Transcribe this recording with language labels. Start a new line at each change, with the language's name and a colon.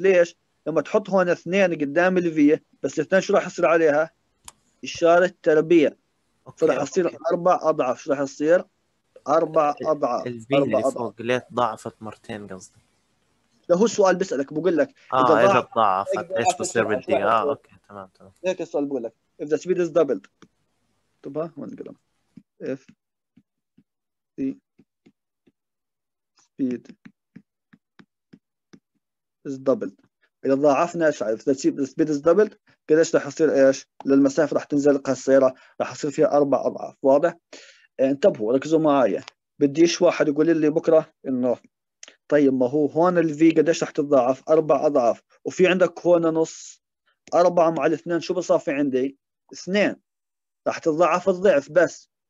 Arabic: ليش؟ لما تحط هون اثنين قدام الفي، بس الاثنين شو راح يصير عليها؟ إشارة تربيع. فراح يصير أربع أضعاف. شو راح يصير؟ أربع أضعاف. الفي اللي فوق ليه تضاعفت مرتين قصدي؟ ده هو السؤال بسألك، بقول لك إذا تضاعفت إيش بصير بالدي؟ أوكي تمام تمام. هيك السؤال بقول لك،
English: if the speed is doubled.
Arabic: طب ها هون نقرأ if the speed is doubled. إذا ضاعفنا إيش؟ عارف إذا
English: speed is doubled
Arabic: قديش راح يصير إيش؟ للمسافة راح تنزل قصيرة، راح يصير فيها أربع أضعاف. واضح؟ انتبهوا ركزوا معايا، بديش واحد يقول لي بكرة إنه طيب ما هو هون ال V قديش راح تتضاعف؟ أربع أضعاف، وفي عندك هون نص، أربعة مع الاثنين شو بصافي عندي؟ اثنين، راح تتضاعف الضعف بس.